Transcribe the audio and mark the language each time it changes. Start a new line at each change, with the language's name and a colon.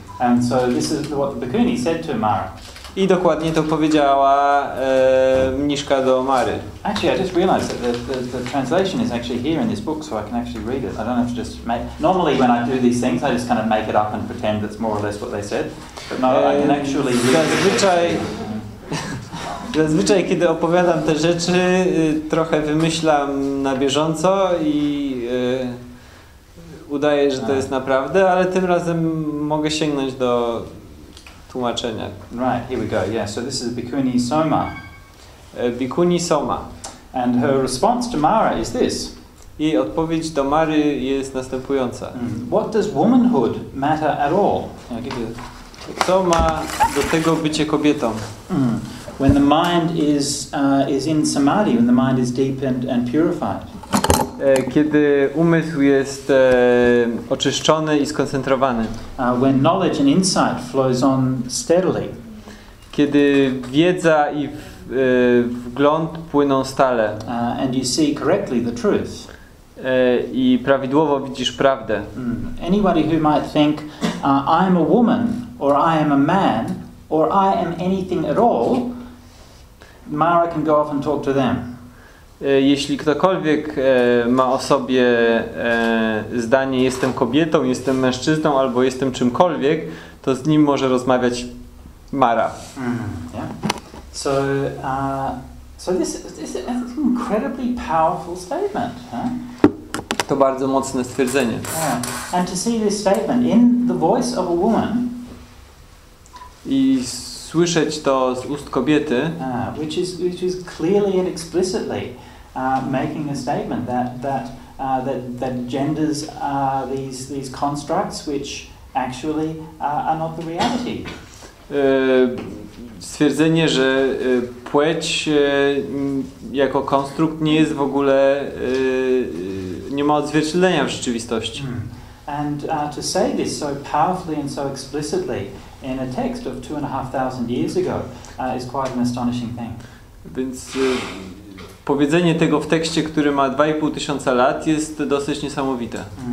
English: And so this is what the bhikkhuni said to Mara.
Polish: I dokładnie to powiedziała mniszka do Mary.
English: Actually, I just realized that the translation is actually here in this book, so I can actually read it. I don't have to just make. Normally, when I do these things, I just kind of make it up and pretend that's more or less what they said. But no, I can actually read it.
Polish: Zazwyczaj, kiedy opowiadam te rzeczy, trochę wymyślam na bieżąco i udaję, że to jest naprawdę, ale tym razem mogę sięgnąć do tłumaczenia.
English: Right, here we go. Yeah, so this is Bhikkhuni Soma. Bhikkhuni Soma. And her response to Mara is this.
Polish: Jej odpowiedź do Mary jest następująca.
English: What does womanhood matter at all?
Polish: Co ma do tego bycie kobietą?
English: When the mind is in samadhi, when the mind is deep and purified.
Polish: Kiedy umysł jest oczyszczony i skoncentrowany.
English: When knowledge and insight flows on steadily.
Polish: Kiedy wiedza i wgląd płyną stale.
English: And you see correctly the truth.
Polish: I prawidłowo widzisz prawdę.
English: Anybody who might think I am a woman or I am a man or I am anything at all. Mara can go off and talk to them.
Polish: Jeśli ktokolwiek ma o sobie zdanie jestem kobietą, jestem mężczyzną albo jestem czymkolwiek, to z nim może rozmawiać Mara.
English: Yeah. So this is an incredibly powerful statement, huh?
Polish: To bardzo mocne stwierdzenie.
English: Yeah. And to see this statement in the voice of a woman.
Polish: Słyszeć to z ust kobiety,
English: which is clearly and explicitly making a statement that genders these constructs which actually are not the reality.
Polish: Stwierdzenie, że płeć jako konstrukt nie jest w ogóle nie ma odzwierciedlenia w rzeczywistości.
English: And to say this so powerfully and so explicitly in a text of 2,500 years ago is quite an astonishing thing.
Polish: Więc powiedzenie tego w tekście, który ma 2,500 lat, jest dosyć niesamowite.